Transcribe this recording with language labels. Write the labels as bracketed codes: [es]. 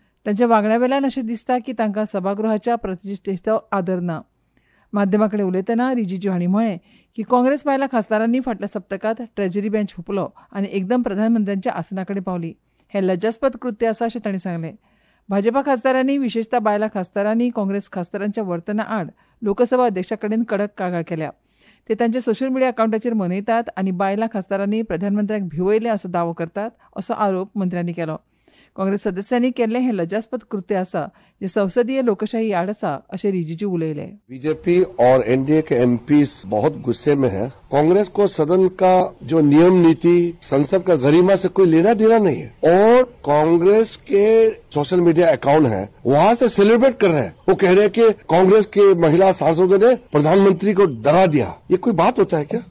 [gom] तांच्या वागण्यावेल्यान अशें दिसता की तांकां सभागृहाच्या प्रतिश्ठेचो आदर ना. माध्यमांकडेन उलयतना रिजीजू हांणी म्हळें की काँग्रेस बायलां खासदारांनी फाटल्या सप्तकांत ट्रेजरी बँच हुपलो आनी एकदम प्रधानमंत्र्यांच्या आसनाकडेन पावली. हें लज्जास्पद कृत्य आसा अशें तांणी सांगलें. भाजपा खासदारांनी विशेषतः बायलां खासदारांनी काँग्रेस खासदारांच्या वर्तना आड लोकसभा अध्यक्षाकडेन कडक कागाळ केल्या. ते तांचे सोशल मिडिया अकाउंटाचेर मनयतात आनी बायलां खासदारांनी प्रधानमंत्र्याक भिवयले असो दावो करतात असो आरोप मंत्र्यांनी केलो. काँग्रेस सदस्यांनी केल्ले हे लज्जास्पद कृत्य आसा जे संसदीय लोकशाही आड आसा असे रिजीजू उलयले. [hi] बीजेपी और एनडीए के एमपी बहुत गुस्से में है. काँग्रेस को सदन का जो नियम नीति संसद का गरिमा से कोई लेना देना नहीं है. और काँग्रेस के सोशल मीडिया अकाउंट है वहां से सेलिब्रेट कर रहे हैं. वो कह रहे हैं कि काँग्रेस के महिला सांसदों ने प्रधानमंत्री को डरा दिया. ये कोई बात होता है क्या?